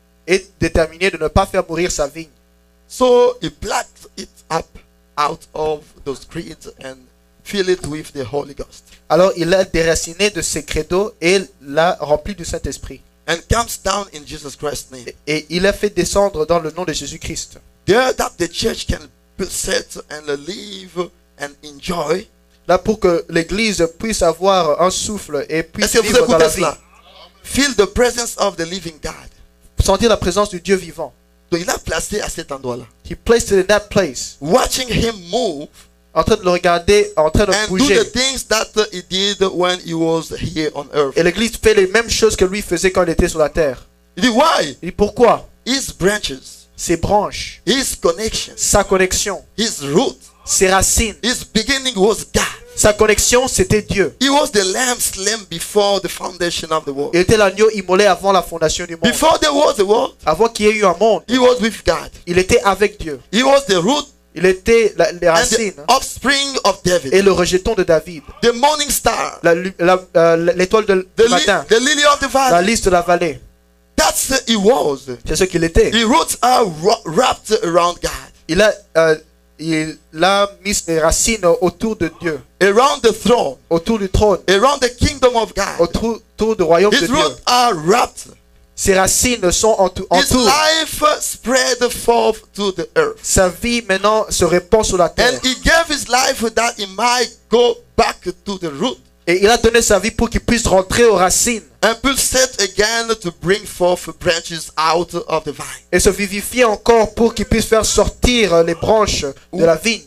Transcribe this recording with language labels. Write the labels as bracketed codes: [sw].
[fr] Est déterminé de ne pas faire mourir sa vigne. [en] So he plucked it up out of those creeds and filled it with the Holy Ghost. [fr] Alors il l'a déraciné de ses credos et l'a rempli du Saint-Esprit. [en] And comes down in Jesus Christ's name. [fr] Et il a fait descendre dans le nom de Jésus-Christ. [en] There that the church can set and live and enjoy. [fr] Là pour que l'église puisse avoir un souffle et puisse Est-ce vivre dans la cela? Vie. [en] Feel the presence of the living God. [fr] Sentir la présence du Dieu vivant. Donc il l'a placé à cet endroit-là. [en] He placed it in that place. Watching him move. [fr] En train de le regarder, en train de [en] and [fr] bouger. [en] And do the things that he did when he was here on earth. [fr] Et l'église fait les mêmes choses que lui faisait quand il était sur la terre. Il dit [en] why? [fr] Il dit pourquoi? [en] His branches. [fr] Ses branches, [en] his connection, [fr] sa connexion, [en] his root, [fr] ses racines, [en] his beginning was God. [fr] Sa connexion, c'était Dieu. [en] He was the lamb slain before the foundation of the world. [fr] Il était l'agneau immolé avant la fondation du monde. [en] Before there was a world, [fr] avant qu'il y ait eu un monde, [en] he was with God. [fr] Il était avec Dieu. [en] He was the root, [fr] il était les racines, [en] and the offspring of David, [fr] et le rejeton de David. [en] The morning star, [fr] l'étoile de matin, [en] the lily of the valley, [fr] la lys de la vallée. [en] That's what he was. [fr] C'est ce qu'il était. [en] His roots are wrapped around God. [fr] Il a mis ses racines autour de Dieu. [en] Around the throne. [fr] Autour du trône. [en] Around the kingdom of God. [fr] Autour du royaume [en] His [fr] de Dieu. [en] His roots are wrapped. [fr] Ses racines le sont entourées. [en] Life spread forth to the earth. [fr] Sa vie maintenant se répand sur la terre. [en] And he gave his life that he might go back to the root. [fr] Et il a donné sa vie pour qu'il puisse rentrer aux racines. [en] And be set again to bring forth branches out of the vine. [fr] Et se vivifier encore pour qu'il puisse faire sortir les branches de la vigne.